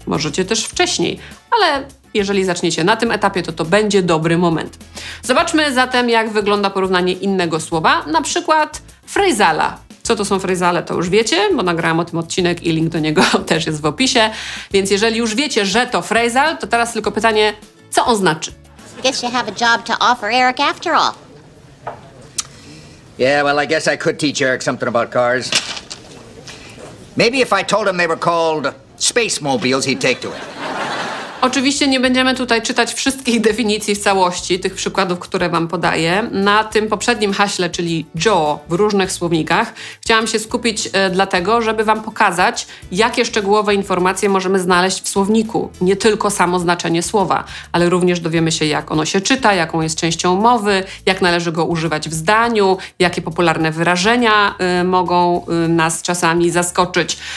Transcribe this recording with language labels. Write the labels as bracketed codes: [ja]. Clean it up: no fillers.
[pl] Możecie też wcześniej, ale jeżeli zaczniecie na tym etapie, to to będzie dobry moment. Zobaczmy zatem, jak wygląda porównanie innego słowa, na przykład frazala. Co to są frazale, to już wiecie, bo nagrałam o tym odcinek i link do niego też jest w opisie. Więc jeżeli już wiecie, że to frazal, to teraz tylko pytanie... Co on znaczy? [en] Guess you have a job to offer Eric after all. Yeah, well, I guess I could teach Eric something about cars. Maybe if I told him they were called space mobiles, he'd take to it. [pl] Oczywiście nie będziemy tutaj czytać wszystkich definicji w całości, tych przykładów, które wam podaję. Na tym poprzednim haśle, czyli Joe w różnych słownikach, chciałam się skupić dlatego, żeby wam pokazać, jakie szczegółowe informacje możemy znaleźć w słowniku. Nie tylko samo znaczenie słowa, ale również dowiemy się, jak ono się czyta, jaką jest częścią mowy, jak należy go używać w zdaniu, jakie popularne wyrażenia mogą nas czasami zaskoczyć.